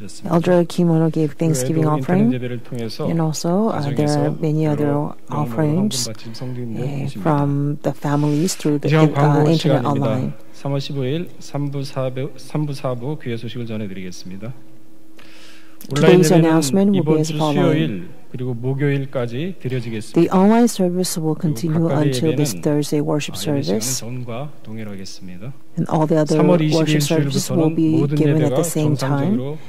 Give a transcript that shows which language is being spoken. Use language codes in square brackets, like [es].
[en] Elder Kim Won-ho gave thanksgiving offering, and also there are many other offerings from the families through the internet online. [ko] 3월 15일 3부 4부 귀의 소식을 전해드리겠습니다. [en] Today's announcement will be as following. [ko] 그리고 목요일까지 드려지겠습니다. [en] The online service will continue until this Thursday worship service. [ko] 전과 동일하겠습니다. [en] And all the other worship services will be given at the same time.